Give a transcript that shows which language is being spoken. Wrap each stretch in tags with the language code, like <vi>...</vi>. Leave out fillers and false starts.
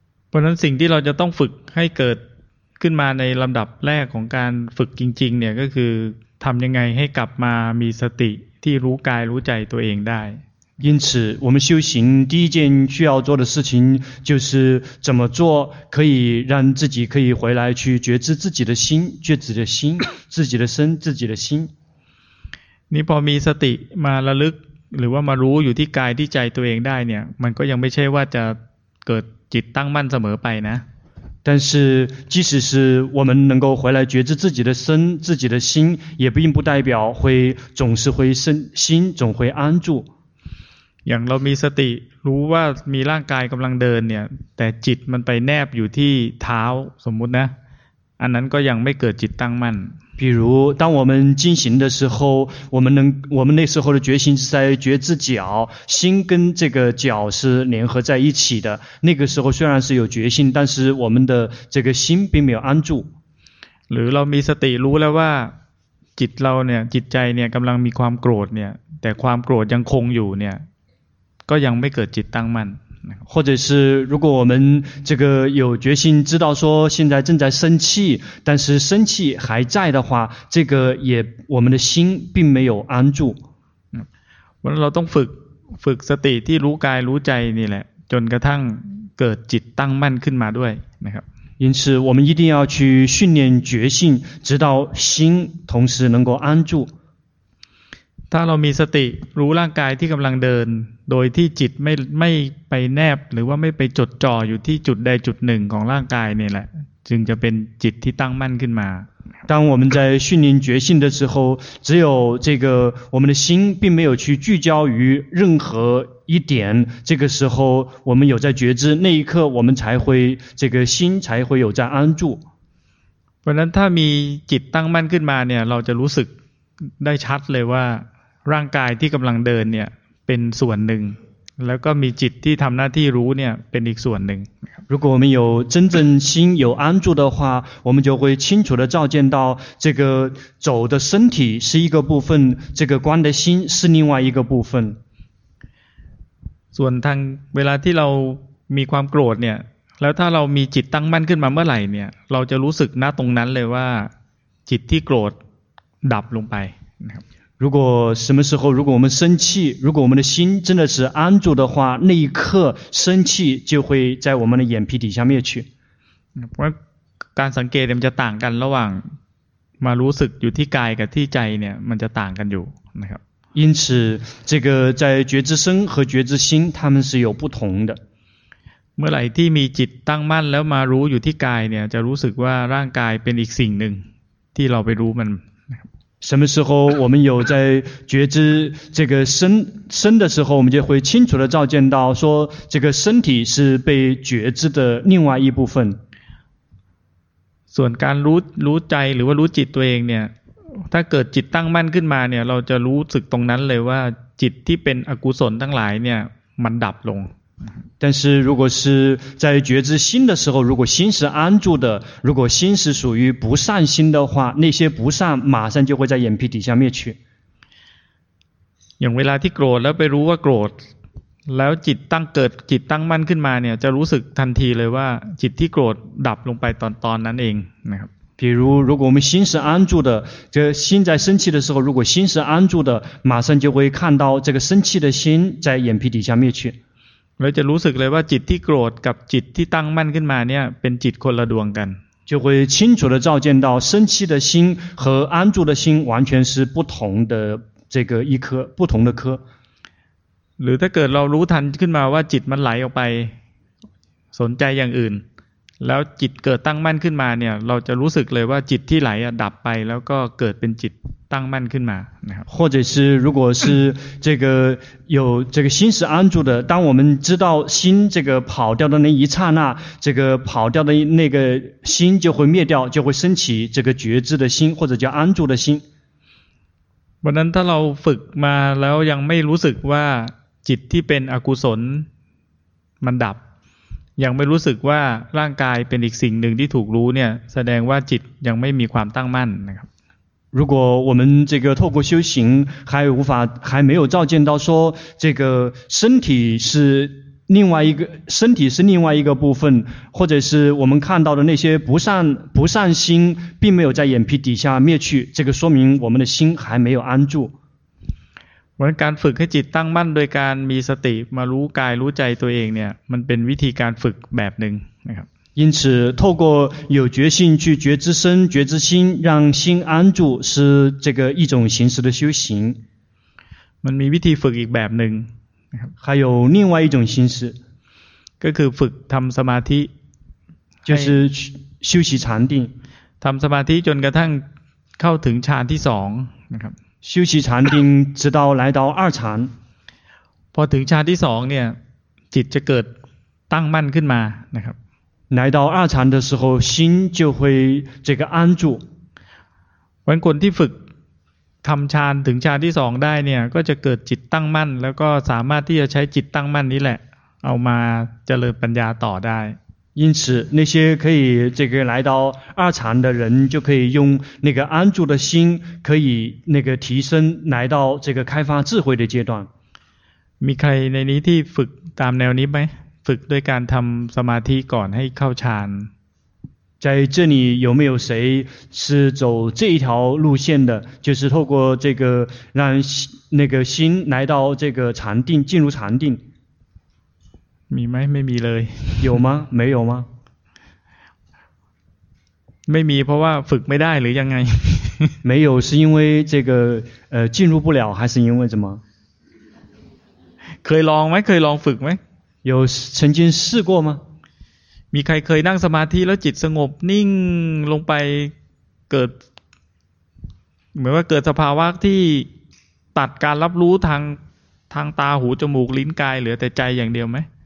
<zh>不然，</zh> <th>สิ่งที่เราจะต้องฝึกให้เกิดขึ้นมาในลำดับแรกของการฝึกจริงๆเนี่ยก็คือทำยังไงให้กลับมามีสติที่รู้กายรู้ใจตัวเองได้</th> <zh>因此我们修行第一件需要做的事情就是怎么做可以让自己可以回来去觉知自己的心觉知的心自己的身自己的心</zh> <th>你พอมีสติมาระลึกหรือว่ามารู้อยู่ที่กายที่ใจตัวเองได้เนี่ยมันก็ยังไม่ใช่ว่าจะเกิดจิตตั้งมั่นเสมอไปนะ</th> <zh>但是即使是我们能够回来觉知自己的身自己的心也并不代表会总是会身心总会安住</zh> <th>อย่างเรามีสติรู้ว่ามีร่างกายกำลังเดินเนี่ยแต่จิตมันไปแนบอยู่ที่เท้าสมมุตินะอันนั้นก็ยังไม่เกิดจิตตั้งมั่น</th> <zh>比如当我们进行的时候我们那时候的觉心是在觉知脚心跟这个脚是联合在一起的那个时候虽然是有觉心但是我们的这个心并没有安住</zh> <th>หรือเรามีสติรู้แล้วว่าจิตเราเนี่ยจิตใจเนี่ยกำลังมีความโกรธเนี่ยแต่ความโกรธยังคงอยู่เนี่ยก็ยังไม่เกิดจิตตั้งมั่น</th> <zh>或者是如果我们这个有决心知道说现在正在生气但是生气还在的话这个也我们的心并没有安住</zh> <th>เราต้องฝึก ฝึกสติที่รู้กายรู้ใจนี่แหละจนกระทั่งเกิดจิตตั้งมั่นขึ้นมาด้วยนะครับ</th> <zh>因此我们一定要去训练觉性直到心同时能够安住</zh> <th>ถ้าเรามีสติรู้ร่างกายที่กำลังเดินโดยที่จิตไม่ไปแนบหรือว่าไม่ไปจดจ่ออยู่ที่จุดใดจุดหนึ่งของร่างกายนี่แหละจึงจะเป็นจิตที่ตั้งมั่นขึ้นมา</th> <zh>当我们在训练觉性的时候，只有这个我们的心并没有去聚焦于任何一点，这个时候我们有在觉知，那一刻我们才会这个心才会有在安住。</zh> <th>เพราะนั้นถ้ามีจิตตั้งมั่นขึ้นมาเนี่ยเราจะรู้สึกได้ชัดเลยว่าร่างกายที่กำลังเดินเนี่ยเป็นส่วนหนึ่งแล้วก็มีจิตที่ทำหน้าที่รู้เนี่ยเป็นอีกส่วนหนึ่ง</th> <zh>如果我们有真正心有安住的话，我们就会清楚地照见到这个走的身体是一个部分，这个观的心是另外一个部分。</zh> <th>ส่วนทางเวลาที่เรามีความโกรธเนี่ยแล้วถ้าเรามีจิตตั้งมั่นขึ้นมาเมื่อไหร่เนี่ยเราจะรู้สึกณตรงนั้นเลยว่าจิตที่โกรธดับลงไปนะครับ</th> <zh>如果什么时候，如果我们生气，如果我们的心真的是安住的话，那一刻生气就会在我们的眼皮底下灭去。</zh> <th>การสังเกตมันจะต่างกันระหว่างมารู้สึกอยู่ที่กายกับที่ใจเนี่ยมันจะต่างกันอยู่นะครับ。</th> <zh>因此，这个在觉知身和觉知心，他们是有不同的。</zh> <th>เมื่อไหร่ที่มีจิตตั้งมั่นแล้วมารู้อยู่ที่กายเนี่ยจะรู้สึกว่าร่างกายเป็นอีกสิ่งหนึ่งที่เราไปรู้มัน。</th> <zh>什么时候我们有在觉知这个身的时候，我们就会清楚地照见到说这个身体是被觉知的另外一部分。</zh> <th>ส่วนการรู้ใจหรือว่ารู้จิตตัวเองเนี่ยถ้าเกิดจิตตั้งมั่นขึ้นมาเนี่ยเราจะรู้สึกตรงนั้นเลยว่าจิตที่เป็นอกุศลทั้งหลายเนี่ยมันดับลง</th> <zh>但是如果是在觉知心的时候，如果心是安住的，如果心是属于不善心的话，那些不善马上就会在眼皮底下灭去。</zh> <th>อย่างเวลาที่โกรธแล้วไปรู้ว่าโกรธแล้วจิตตั้งเกิดจิตตั้งมั่นขึ้นมาเนี่ยจะรู้สึกทันทีเลยว่าจิตที่โกรธดับลงไปตอนนั้นเองนะครับ</th> <zh>比如如果我们心是安住的，这心在生气的时候，如果心是安住的，马上就会看到这个生气的心在眼皮底下灭去。</zh> <th>เราจะรู้สึกเลยว่าจิตที่โกรธกับจิตที่ตั้งมั่นขึ้นมาเนี่ยเป็นจิตคนละดวงกัน</th> <zh>就会清楚地照见到生气的心和安住的心完全是不同的这个一颗不同的颗</zh> <th>หรือถ้าเกิดเรารู้ทันขึ้นมาว่าจิตมันไหลออกไปสนใจอย่างอื่นแล้วจิตเกิดตั้งมั่นขึ้นมาเนี่ยเราจะรู้สึกเลยว่าจิตที่ไหลดับไปแล้วก็เกิดเป็นจิตตั้งมั่นขึ้นมานะครับ</th> <zh>或者是如果是这个有这个心是安住的当我们知道心这个跑掉的那一刹那这个跑掉的那个心就会灭掉就会升起这个觉知的心或者叫安住的心</zh> <th>วันนั้นถ้าเราฝึกมาแล้วยังไม่รู้สึกว่าจิตที่เป็นอกุศลมันดับยังไม่รู้สึกว่าร่างกายเป็นอีกสิ่งหนึ่งที่ถูกรู้เนี่ยแสดงว่าจิตยังไม่มีความตั้งมั่นนะครับ</th> <zh>如果我们这个透过修行还无法还没有照见到说这个身体是另外一个身体是另外一个部分或者是我们看到的那些不善心并没有在眼皮底下灭去这个说明我们的心还没有安住</zh> <th>เหมือนการฝึกให้จิตตั้งมั่นโดยการมีสติมารู้กายรู้ใจตัวเองเนี่ยมันเป็นวิธีการฝึกแบบนึงนะครับ</th> <zh>因此透过有觉性去觉知身觉知心让心安住是这个一种形式的修行</zh> <th>มันมีวิธีฝึกอีกแบบนึงนะครับ</th> <zh>还有另外一种形式</zh> <th>ก็คือฝึกทำสมาธิ</th> <zh>就是修习禅定</zh> <th>ทำสมาธิจนกระทั่งเข้าถึงฌานที่สองนะครับ</th> <zh>修习禅定直到来到二禅</zh> <th>พอถึงฌานที่สองเนี่ยจิตจะเกิดตั้งมั่นขึ้นมานะครับ</th> <zh>来到二禅的时候心就会这个安住</zh> <th>วันคนที่ฝึกทำฌานถึงฌานที่สองได้เนี่ยก็จะเกิดจิตตั้งมั่นแล้วก็สามารถที่จะใช้จิตตั้งมั่นนี้แหละเอามาเจริญปัญญาต่อได้</th> <zh>因此那些可以这个来到二禅的人就可以用那个安住的心可以那个提升来到这个开发智慧的阶段</zh> <th>มีใครในนี้ที่ฝึกตามแนวนี้ไหมฝึกด้วยการทำสมาธิก่อนให้เข้าฌาน</th> <zh>在这里有没有谁是走这一条路线的，就是透过这个让那个心来到这个禅定，进入禅定。没没没没了。有吗？没有吗？没没，</zh> <th>เพราะว่าฝึกไม่ได้หรือยังไง？</th> <zh>没有是因为这个进入不了，还是因为什么？</zh> <th>เคยลองไหม？เคยลองฝึกไหม？</th> <zh>有曾经试过吗？</zh> <th>มีใครเคยนั่งสมาธิแล้วจิตสงบนิ่งลงไปเกิดเหมือนว่าเกิดสภาวะที่ตัดการรับรู้ทางตาหูจมูกลิ้นกายเหลือแต่ใจอย่างเดียวไหม</th>